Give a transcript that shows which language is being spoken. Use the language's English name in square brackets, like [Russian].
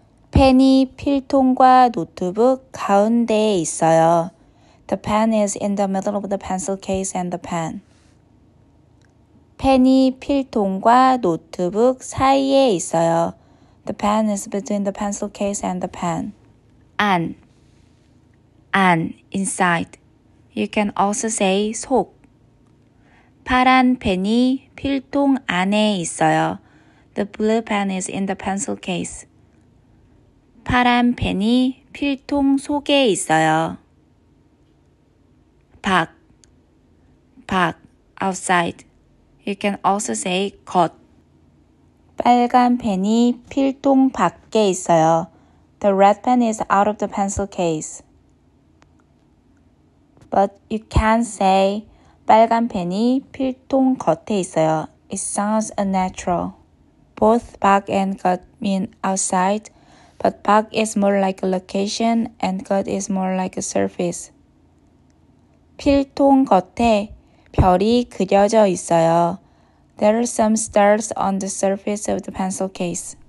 [Korean] 펜이 필통과 노트북 가운데에 있어요. [English] The pen is in the middle of the pencil case and the pen. [Korean] 펜이 필통과 노트북 사이에 있어요. [English] The pen is between the pencil case and the pen. [Korean] 안, inside. [English] You can also say 속. [Korean] 파란 펜이 필통 안에 있어요. [English] The blue pen is in the pencil case. [Korean] 파란 펜이 필통 속에 있어요. 밖, outside. [English] You can also say 겉. [Korean] 빨간 펜이 필통 밖에 있어요. [English] The red pen is out of the pencil case. But you can say [Korean] 빨간 펜이 필통 겉에 있어요. [English] It sounds unnatural. Both 밖 and 겉 mean outside, but 밖 is more like a location and 겉 is more like a surface. [Korean] 필통 겉에 별이 그려져 있어요. [English] There are some stars on the surface of the pencil case.